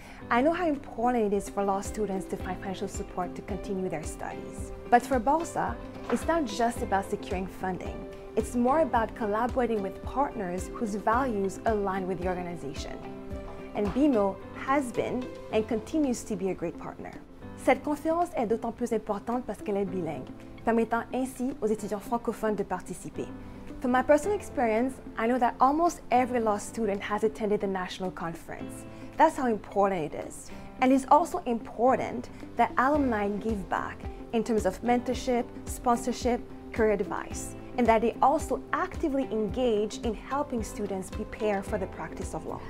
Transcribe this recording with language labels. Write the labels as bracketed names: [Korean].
[English] I know how important it is for law students to find financial support to continue their studies. But for BLSA, it's not just about securing funding. It's more about collaborating with partners whose values align with the organization. And BMO has been and continues to be a great partner. [French] Cette conférence est d'autant plus importante parce qu'elle est bilingue, permettant ainsi aux étudiants francophones de participer. [English] From my personal experience, I know that almost every law student has attended the national conference. That's how important it is. And it's also important that alumni give back in terms of mentorship, sponsorship, career advice, and that they also actively engage in helping students prepare for the practice of law.